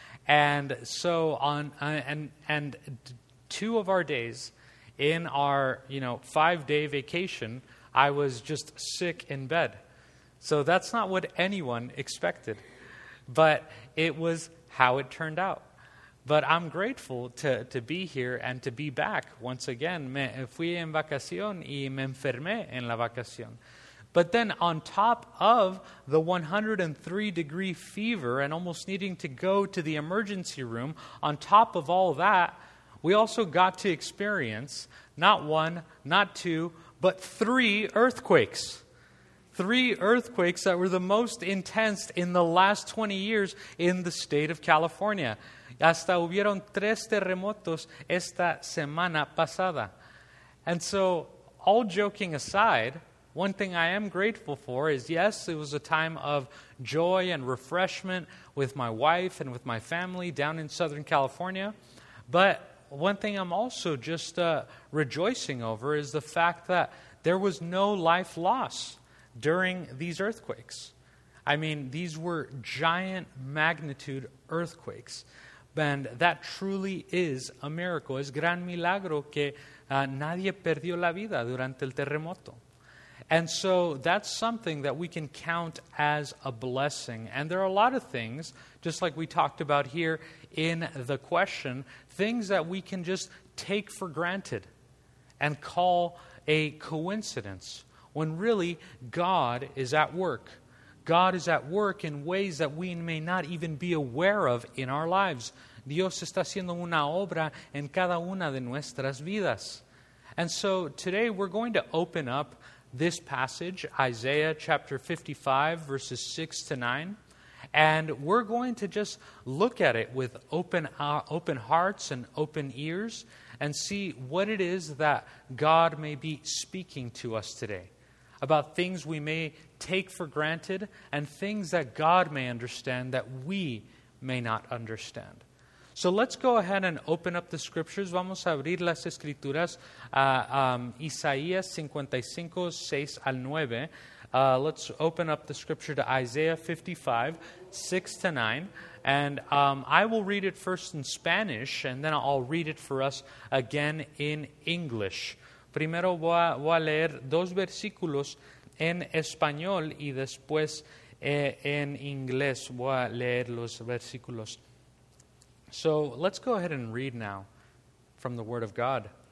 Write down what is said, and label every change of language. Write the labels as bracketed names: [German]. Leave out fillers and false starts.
[English] And so on, and 2 of our days in our, 5-day vacation, I was just sick in bed. So that's not what anyone expected. But it was how it turned out. But I'm grateful to be here and to be back once again. [Spanish] Me fui en vacación y me enfermé en la vacación. [English] But then on top of the 103-degree fever and almost needing to go to the emergency room, on top of all that, we also got to experience not one, not two, but 3 earthquakes. 3 earthquakes that were the most intense in the last 20 years in the state of California. [Spanish] Hasta hubieron 3 terremotos esta semana pasada. [English] And so, all joking aside, one thing I am grateful for is, yes, it was a time of joy and refreshment with my wife and with my family down in Southern California. But one thing I'm also just rejoicing over is the fact that there was no life loss during these earthquakes. I mean, these were giant magnitude earthquakes. And that truly is a miracle. [Spanish] Es gran milagro que nadie perdió la vida durante el terremoto. [English] And so that's something that we can count as a blessing. And there are a lot of things, just like we talked about here in the question, things that we can just take for granted and call a coincidence, when really God is at work. God is at work in ways that we may not even be aware of in our lives. [Spanish] Dios está haciendo una obra en cada una de nuestras vidas. [English] And so today we're going to open up this passage, Isaiah chapter 55, verses 6 to 9. And we're going to just look at it with open hearts and open ears and see what it is that God may be speaking to us today, about things we may take for granted and things that God may understand that we may not understand. So let's go ahead and open up the scriptures. [Spanish] Vamos a abrir las escrituras. Isaías 55, 6 al 9. [English] Let's open up the scripture to Isaiah 55, 6 to 9. And I will read it first in Spanish, and then I'll read it for us again in English. [Spanish] Primero voy a leer 2 versículos en español y después en inglés voy a leer los versículos. [English] So let's go ahead and read now from the Word of God.